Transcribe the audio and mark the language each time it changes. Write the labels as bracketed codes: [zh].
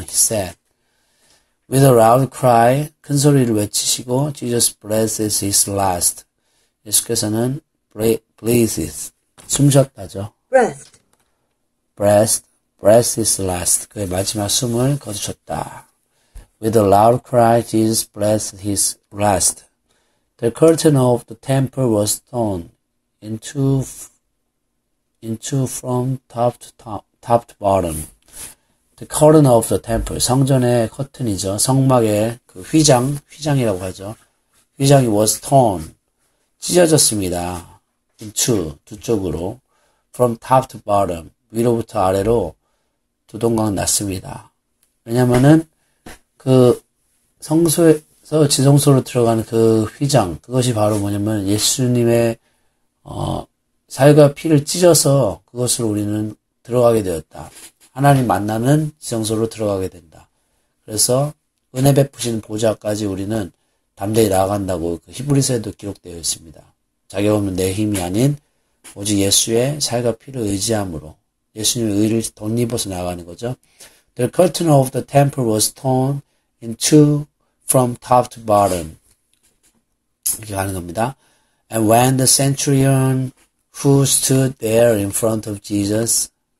[en] He said, with a loud cry, [ko] 큰 소리를 외치시고, [en] Jesus breathes his last. [ko] 예수께서는 breathes 숨쉬었다죠. [en] Breath is last. [ko] 그의 마지막 숨을 거두셨다. [en] With a loud cry, Jesus breathed his last. The curtain of the temple was torn into from top to bottom. The curtain of the temple, [ko] 성전의 커튼이죠. 성막의 그 휘장이라고 하죠. 휘장이 [en] was torn. [ko] 찢어졌습니다. into, 두 쪽으로. [en] from top to bottom, [ko] 위로부터 아래로 두동강 났습니다. 왜냐면은, 그, 성소에서 지성소로 들어가는 그 휘장, 그것이 바로 뭐냐면, 예수님의, 살과 피를 찢어서 그것으로 우리는 들어가게 되었다. 하나님 만나는 지성소로 들어가게 된다. 그래서, 은혜 베푸시는 보좌까지 우리는 담대히 나아간다고 그 히브리서에도 기록되어 있습니다. 자기 없는 내 힘이 아닌 오직 예수의 살과 피를 의지함으로 예수님의 의를 덧입어서 나아가는 거죠. [en] The curtain of the temple was torn in two from top to bottom. [ko] 이렇게 가는 겁니다. [en] And when the centurion who stood there in front of Jesus.